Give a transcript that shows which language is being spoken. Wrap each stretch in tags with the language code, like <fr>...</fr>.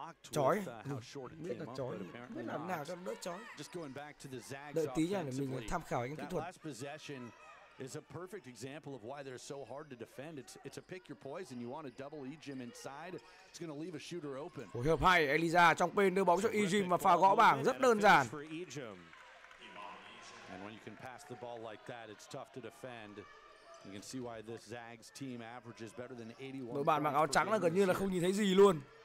<vi>Chói, biết là chói, biết làm nào cho đỡ chói. Đợi tí nha, để mình tham khảo những kỹ thuật.</vi> <en>Is a perfect example of why they're so hard to defend. It's a pick your poison. You want to double Ejim inside. It's going to leave a shooter open.</en> <vi>Phối hợp hay, Eliza trong bên đưa bóng cho Ejim và pha gõ bảng rất đơn giản.</vi> <en>And when you can pass the ball like that, it's tough to defend. You can see why this Zags team averages better than 81.</en> <vi>Đội bạn mặc áo trắng là gần như là không nhìn thấy gì luôn.</vi>